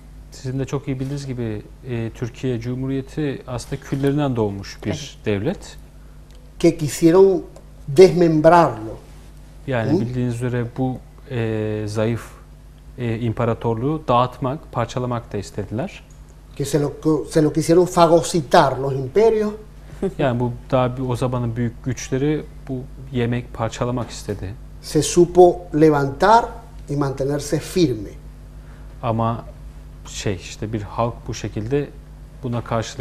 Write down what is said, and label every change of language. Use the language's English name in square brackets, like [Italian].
[Turkish] Sizin de çok iyi bildiğiniz gibi Türkiye Cumhuriyeti aslında küllerinden doğmuş bir devlet. [Spanish] Que quisieron desmembrarlo. [Turkish] Yani bildiğiniz üzere bu zayıf imparatorluğu dağıtmak, parçalamak da istediler. [Spanish] Que se lo quisieron fagocitar los imperios. [Turkish] Yani bu daha o zamanın büyük güçleri bu yemek, parçalamak istedi. [Spanish] Se supo levantar y mantenerse firme. [Turkish] Ama şey işte bir halk bu şekilde buna karşılık